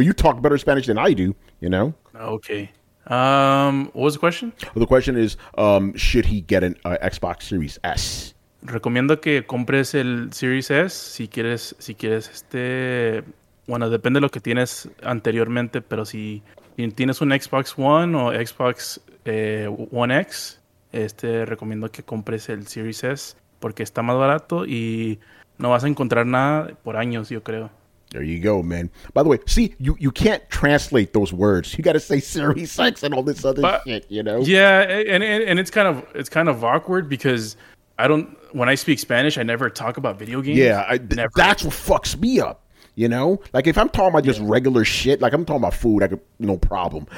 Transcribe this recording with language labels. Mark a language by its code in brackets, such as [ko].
[en] You talk better Spanish than I do, you know? Okay. What was the question? Well, the question is, should he get an Xbox Series S? [es] Recomiendo que compres el Series S si quieres este... Bueno, depende de lo que tienes anteriormente, pero si tienes un Xbox One o Xbox One X, recomiendo que compres el Series S porque está más barato y no vas a encontrar nada por años, yo creo. [en] There you go, man. By the way, see, you can't translate those words. You got to say Series X and all this other shit, you know? Yeah, and it's kind of awkward because when I speak Spanish, I never talk about video games. Yeah, that's what fucks me up, you know? Like, if I'm talking about just regular shit, like I'm talking about food, I could, no problem.